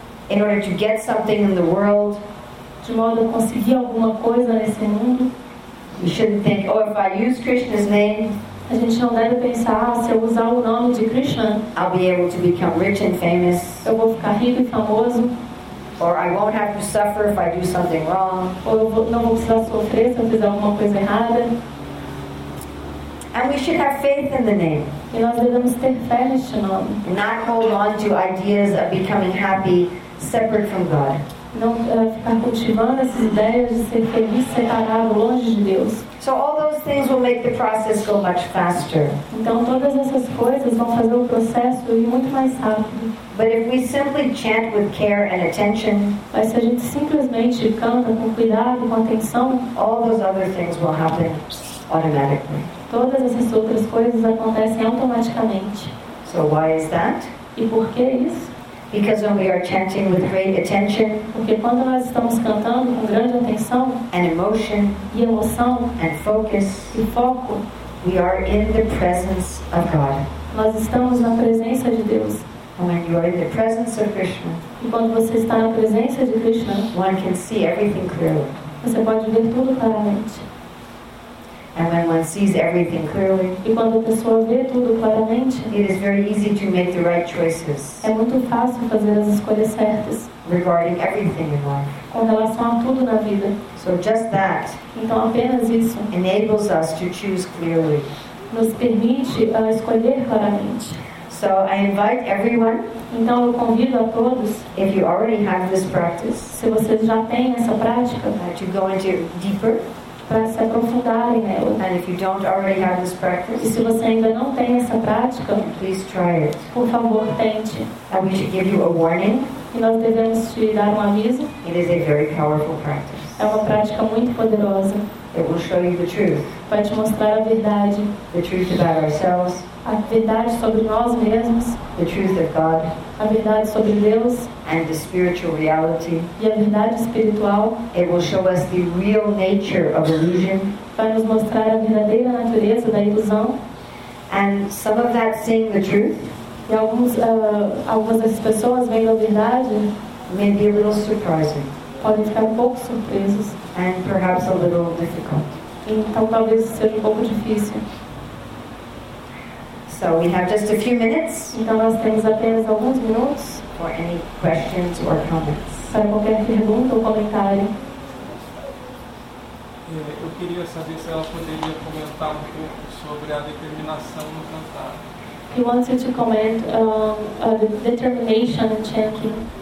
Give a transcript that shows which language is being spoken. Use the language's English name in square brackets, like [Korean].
[English] In order to get something in the world. [Portuguese] De modo a conseguir alguma coisa nesse mundo. [English] We shouldn't think, oh, if I use Krishna's name. [Portuguese] A gente não deve pensar, se eu usar o nome de Krishna. [English] I'll be able to become rich and famous. [Portuguese] Eu vou ficar rico e famoso. [English] Or I won't have to suffer if I do something wrong. [Portuguese] Ou eu não vou precisar sofrer se eu fizer alguma coisa errada. [English] And we should have faith in the name. [Portuguese] E nós devemos ter fé neste nome. [English] Not hold on to ideas of becoming happy separate from God. [Portuguese] Não ficar cultivando essas ideias de ser feliz separado longe de Deus. [English] So all those things will make the process go much faster. [Portuguese] Então todas essas coisas vão fazer o processo ir muito mais rápido. [English] But if we simply chant with care and attention, [Portuguese] mas se a gente simplesmente canta com cuidado, com atenção, [English] all those other things will happen automatically. [Portuguese] Todas essas outras coisas acontecem automaticamente. [English] So why is that? [Portuguese] E por que isso? [English] Because when we are chanting with great attention, [Portuguese] porque quando nós estamos cantando com grande atenção, [English] and emotion, [Portuguese] e emoção, [English] and focus, [Portuguese] e foco, [English] we are in the presence of God. [Portuguese] Nós estamos na presença de Deus. [English] And when you are in the presence of Krishna, [Portuguese] e quando você está na presença de Krishna, [English] one can see everything clearly. [Portuguese] Você pode ver tudo claramente. [English] And when one sees everything clearly, [Portuguese] e quando a pessoa vê tudo claramente, [English] it is very easy to make the right choices. [Portuguese] É muito fácil fazer as escolhas certas. [English] Regarding everything in life. [Portuguese] Com relação a tudo na vida. [English] So just that. [Portuguese] Então apenas isso. [English] Enables us to choose clearly. [Portuguese] Nos permite a escolher claramente. [English] So I invite everyone. [Portuguese] Então eu convido a todos. [English] If you already have this practice, [Portuguese] se vocês já têm essa prática, [English] to go into deeper. [Portuguese] Para se aprofundarem nela. [English] And if you don't already have this practice, [Portuguese] e se você ainda não tem essa prática, [English] please try it. [Portuguese] Por favor, tente. [English] And we should give you a warning. [Portuguese] E nós devemos te dar um aviso. [English] It is a very powerful practice. [Portuguese] É uma prática muito poderosa. [English] It will show you the truth. [Portuguese] Vai te mostrar a verdade. [English] The truth about ourselves. [Portuguese] A verdade sobre nós mesmos. [English] The truth of God. [Portuguese] A verdade sobre Deus. [English] And the spiritual reality. [Portuguese] E a verdade espiritual. [English] It will show us the real nature of illusion. [Portuguese] Vai nos mostrar a verdadeira natureza da ilusão. [English] And some of that seeing the truth. [Portuguese] E algumas das pessoas vendo a verdade. [English] May be a little surprising. [Portuguese] Podem ficar um pouco surpresos. [English] And perhaps a little difficult. [Portuguese] Então talvez seja um pouco difícil. [English] So we have just a few minutes. [Portuguese] Então nós temos apenas alguns minutos. [English] For any questions or comments. [Portuguese] Para qualquer pergunta ou comentário. Eu queria saber se ela poderia comentar um pouco sobre a determinação no cantar. [English] He wants you to comment the determination in chanting.